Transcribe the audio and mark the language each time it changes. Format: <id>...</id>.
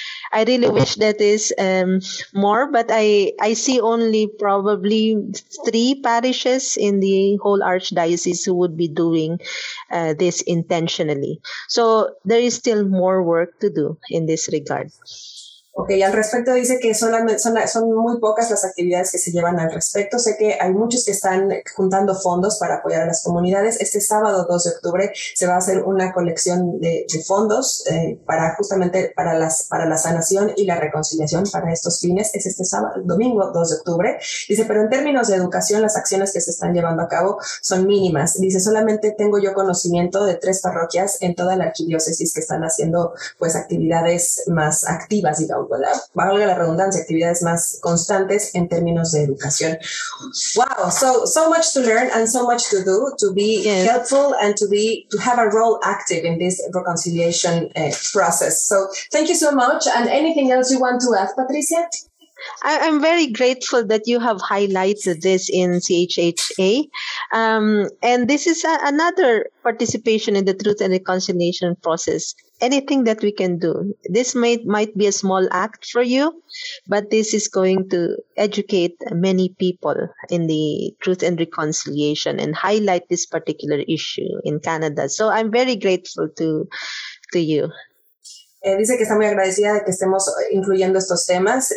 <en>I really wish that is more, but I see only probably 3 parishes in the whole archdiocese who would be doing this intentionally. So there is still more work to do in this regard.</en> <es>Okay, y al respecto dice que son muy pocas las actividades que se llevan al respecto. Sé que hay muchos que están juntando fondos para apoyar a las comunidades. Este sábado 2 de octubre se va a hacer una colección de fondos para justamente para la sanación y la reconciliación para estos fines. Es este sábado, el domingo 2 de octubre. Dice, pero en términos de educación, las acciones que se están llevando a cabo son mínimas. Dice, solamente tengo yo conocimiento de 3 parroquias en toda la arquidiócesis que están haciendo pues actividades más activas, y valga la redundancia, actividades más constantes en términos de educación.</es> <en>Wow, so much to learn and so much to do, to be yes. helpful and to have a role active in this reconciliation process. So thank you so much. And anything else you want to add, Patricia? I'm very grateful that you have highlighted this in CHHA. And this is another participation in the truth and reconciliation process. Anything that we can do. This might be a small act for you, but this is going to educate many people in the truth and reconciliation and highlight this particular issue in Canada. So I'm very grateful to you.</en> <es>Dice que está muy agradecida de que estemos incluyendo estos temas.</es>